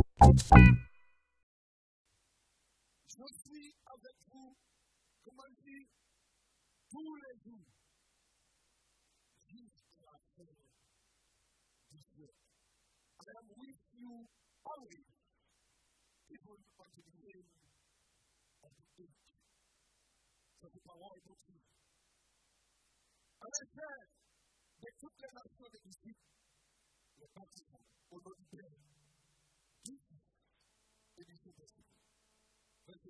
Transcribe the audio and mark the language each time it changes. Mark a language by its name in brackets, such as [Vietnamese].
[French] Je suis avec vous, comme on dit, tous les jours, jusqu'à la fin du siècle. [English] I am with you always, even until the end of the age. [French] Cette parole est continue. À l'échelle de toutes les nations des disciples, le baptisme au nom du Père, du Fils et du Saint-Esprit.